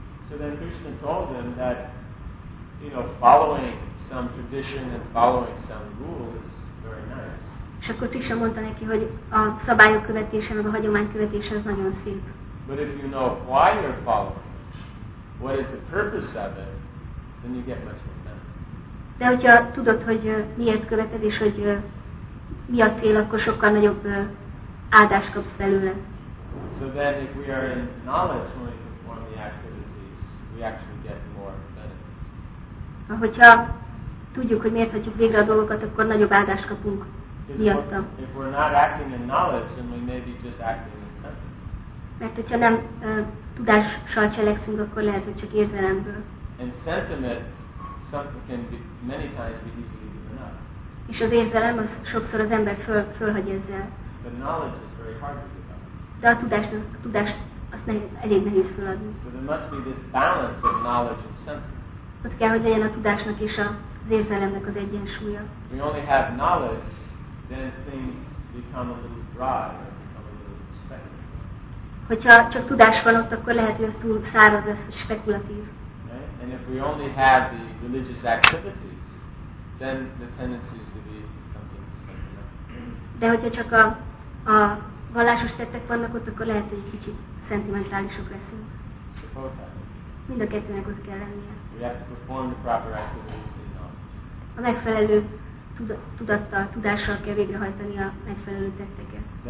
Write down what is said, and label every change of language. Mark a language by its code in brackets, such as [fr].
[en] So then Krishna told them that, you know, following some tradition and following some rule is very nice. [hu] És akkor Krishna mondta neki, hogy a szabályok követése, meg a hagyomány követése az nagyon szép. [en] But if you know why you're following, what is the purpose of it, then you get much more benefit. [hu] De hogyha tudod, hogy miért követed, és hogy mi a cél, akkor sokkal nagyobb áldást kapsz belőle. [en] So then if we are in knowledge when we perform the activities, we actually get more benefit. [hu] Hogyha tudjuk, hogy miért hagyjuk végre a dolgokat, akkor nagyobb áldást kapunk. [en] If we're not acting in knowledge, then we may be just acting in sentiment. [hu] Mert hogyha nem tudással cselekszünk, akkor lehet, hogy csak érzelemből. [en] And sentiment, something can be many times be easily given up. [hu] És az érzelem, az sokszor az ember fölhagy ezzel. [en] But knowledge is very hard to give up. [hu] De a tudást azt elég nehéz feladni. [en] So there must be this balance of knowledge and sentiment. [hu] Ott kell, hogy legyen a tudásnak és az érzelemnek az egyensúlya. [en] We only have knowledge, then things become a little dry, become a little speculative. [hu] Hogyha csak tudás van ott, akkor lehet, hogy az túl száraz lesz, vagy spekulatív. [en] Right? And if we only have the religious activities, then the tendency is to be something speculative. [hu] De hogyha csak a vallásos tettek vannak ott, akkor lehet, hogy egy kicsit szentimentálisok leszünk. Mind a kettőnek ott kell lennie. [en] We have to perform the proper activities in knowledge. [hu] A megfelelő tudattal, tudással kell végrehajtani a megfelelő tetteket.